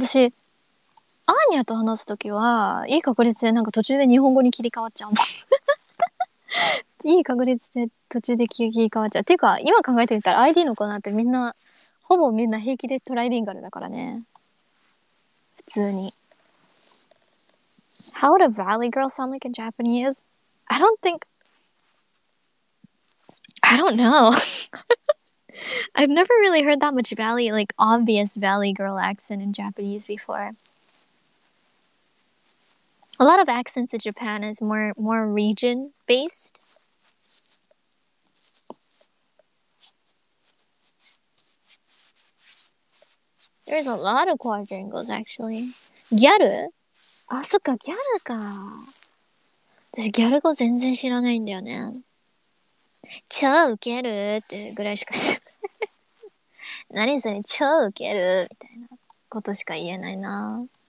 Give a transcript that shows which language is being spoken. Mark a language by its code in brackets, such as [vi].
[ja] 私、アーニャと話すときは、いい確率でなんか途中で日本語に切り替わっちゃうもん。いい確率で途中で切り替わっちゃう。ていうか、今考えてみたら ID の子なんてみんな、ほぼみんな平気でトライリンガルだからね。普通に。 [en] How would a valley girl sound like in Japanese? I don't know. I've never really heard that much valley, like obvious valley girl accent in Japanese before. A lot of accents in Japan is more region-based. There's a lot of quadrangles, actually. [ja] ギャル？あ、そっか、ギャルか。私、ギャル語全然知らないんだよね。超ウケるってぐらいしか知らない。何それ、超ウケるみたいなことしか言えないな。